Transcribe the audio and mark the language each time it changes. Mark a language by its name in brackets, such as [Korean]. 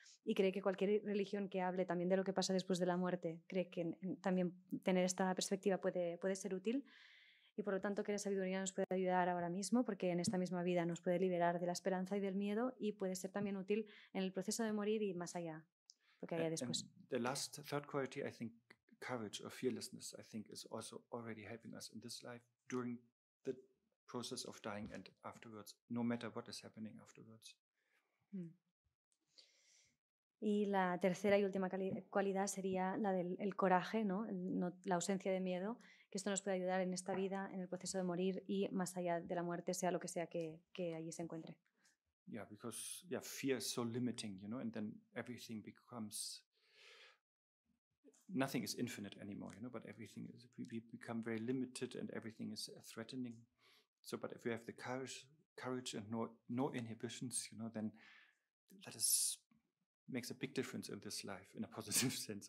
[Spanish] Y cree que cualquier religión que hable también de lo que pasa después de la muerte, cree que también tener esta perspectiva puede ser útil. Y por lo tanto que la sabiduría nos puede ayudar ahora mismo porque en esta misma vida nos puede liberar de la esperanza y del miedo y puede ser también útil en el proceso de morir y más allá lo que haya después. [English] The last third quality, I think, courage or fearlessness, I think, is also already helping us in this life during the process of dying and afterwards, no matter what is happening afterwards. [Spanish] Y la tercera y última cualidad sería la del el coraje, ¿no? La ausencia de miedo, que esto nos puede ayudar en esta vida, en el proceso de morir y más allá de la muerte, sea lo que sea que allí se encuentre. [English] Yeah, because yeah, fear is so limiting, you know, and then everything becomes, nothing is infinite anymore, you know, but everything is, we become very limited and everything is threatening. So, but if we have the courage and no inhibitions, you know, then that is, makes a big difference in this life in a positive sense.